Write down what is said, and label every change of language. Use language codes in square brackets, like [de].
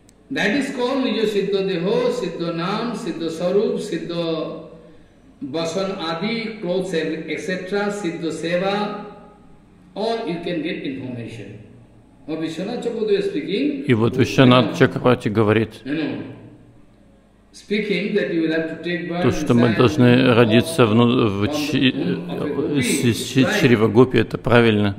[en] That is called nijo siddha deho, siddha nam, siddha sarup, siddha basan adi, clothes, etc., siddha seva, or you can get information. Or Vishwanath Chakravarti is speaking. [ru] И вот Вишванат Чакрабарти говорит. [en] Speaking that you will have to take birth. [ru] То, что мы должны родиться в чрева гопи, это правильно.